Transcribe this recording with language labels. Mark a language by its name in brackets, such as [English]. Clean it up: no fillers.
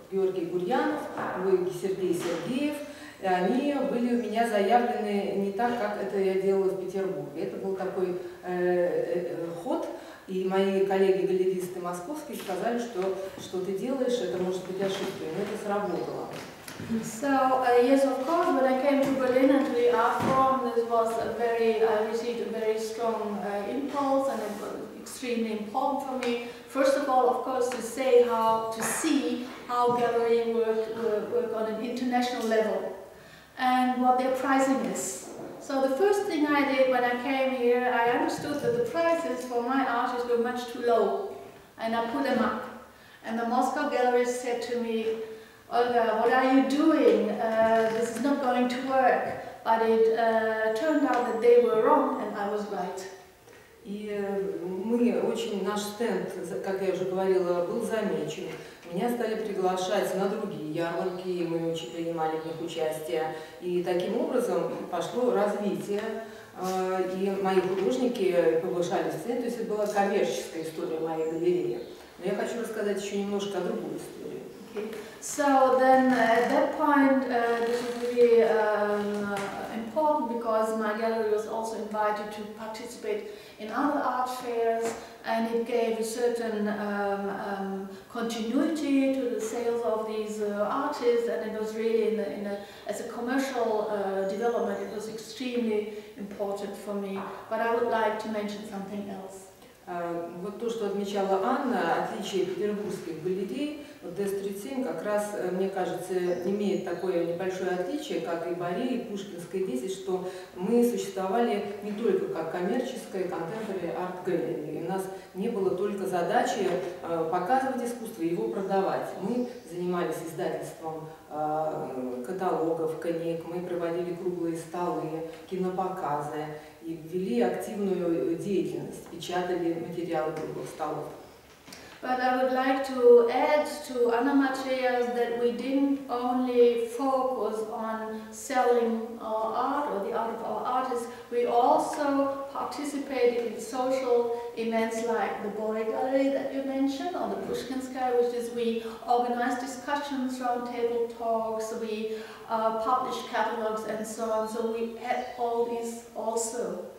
[Russian] Георгий Гурьянов, Сергей Сергеев, они были у меня заявлены не так, как это я делала в Петербурге. Это был такой ход, и мои коллеги-галеристы московские сказали, что ты делаешь, это может быть ошибкой, но это сработало. [English] So, yes, of course, when I came to Berlin and to the art forum, this was a very, I received a very strong impulse, and it was extremely important for me. First of all, of course, to see how gallerying work on an international level and what their pricing is. So the first thing I did when I came here, I understood that the prices for my artists were much too low, and I put them up. And the Moscow gallery said to me, Olga, what are you doing? This is not going to work. But it turned out that they were wrong and I was right. [Russian] И наш стенд, как я уже говорила, был замечен. Меня стали приглашать на другие ярмарки, и мы очень принимали в них участие. И таким образом пошло развитие, и мои художники повышались в цене. То есть это была коммерческая история моей галереи. Но я хочу рассказать еще немножко о другой истории. [English] So then at that point this was really important because my gallery was also invited to participate in other art fairs, and it gave a certain continuity to the sales of these artists, and it was really as a commercial development, it was extremely important for me. But I would like to mention something else. [Russian] Вот то, что отмечала Анна, отличие петербургских галерей, вот D37 как раз, мне кажется, имеет такое небольшое отличие, как и Боре, и Пушкинская 10, что мы существовали не только как коммерческая [English] contemporary art gallery. [Russian] У нас не было только задачи показывать искусство и его продавать. Мы занимались издательством каталогов, книг, мы проводили круглые столы, кинопоказы. И вели активную деятельность, печатали материалы круглых столов. [English] But I would like to add to Anna Matveyeva's that we didn't only focus on selling our art or the art of our artists, we also participated in social events like the Bory Gallery that you mentioned, or the Pushkinskaya, which is we organized discussions, roundtable talks, we published catalogs and so on, so we had all these also.